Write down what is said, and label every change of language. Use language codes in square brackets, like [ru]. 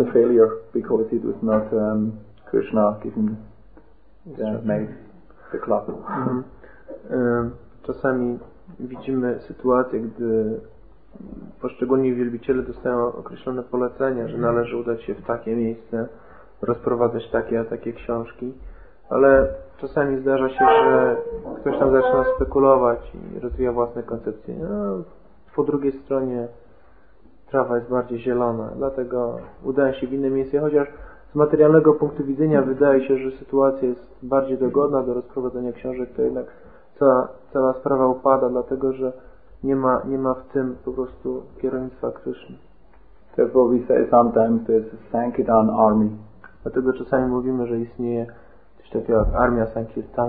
[en] a failure because it was not Krishna giving the club. Mm-hmm. [pl] czasami widzimy sytuację, gdy poszczególni wielbiciele dostają określone polecenia, że należy udać się w takie miejsce, rozprowadzać takie a takie książki, ale czasami zdarza się, że ktoś tam zaczyna spekulować i rozwija własne koncepcje. No, po drugiej stronie trawa jest bardziej zielona, dlatego udają się w inne miejsce, chociaż z materialnego punktu widzenia wydaje się, że sytuacja jest bardziej dogodna do rozprowadzenia książek, to jednak cała sprawa upada, dlatego że nie ma w tym po prostu kierownictwa Kryszny. [en] Therefore we say sometimes there's a Sankirtan army. [pl] Dlatego czasami mówimy, że istnieje coś takiego jak armia Sankirtan.